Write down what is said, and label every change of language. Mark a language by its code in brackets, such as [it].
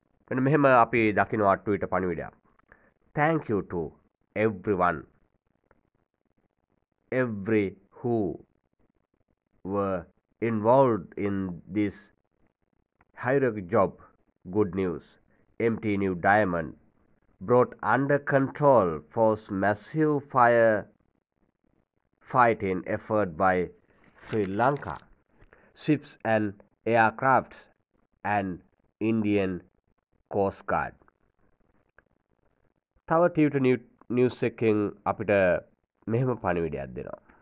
[si] මෙන්න මෙහෙම අපි දකින්න ට්විටර් පණිවිඩයක්. [en] Thank you to everyone. Every who were involved in this heroic job. Good news. MT New Diamond brought under control forced massive fire fighting effort by Sri Lanka. Ships and aircrafts and Indian Coast Guard. [si] තව ටියුට news එකෙන් අපිට මෙහෙම පණිවිඩයක් දෙනවා.